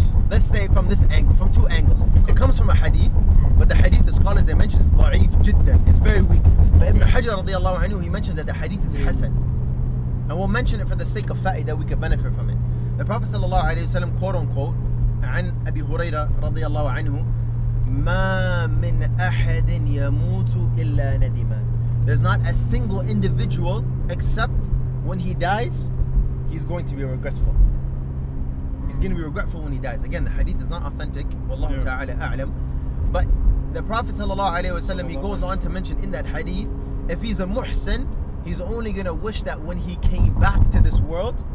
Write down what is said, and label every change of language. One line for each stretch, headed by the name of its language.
English: Let's say from this angle, from two angles. It comes from a hadith, but the hadith, the scholars, they mention is
Arabic: ضعيف جدا.
English: It's very weak. But Ibn Hajar
Arabic: رضي الله عنه,
English: he mentions that the hadith is حسن. And we'll mention it for the sake of fa'idah, that we can benefit from it. The Prophet
Arabic: صلى الله عليه وسلم,
English: quote unquote,
Arabic: عن أبي هريرة رضي الله عنه, ما من أحد يموت إلا ندما.
English: There's not a single individual, except when he dies, he's going to be regretful. He's going to be regretful when he dies. Again, the hadith is not authentic. Wallahu ta'ala a'lam. But the Prophet sallallahu alayhi wa sallam, he goes on to mention in that hadith, if he's a muhsin, he's only going to wish that when he came back to this world,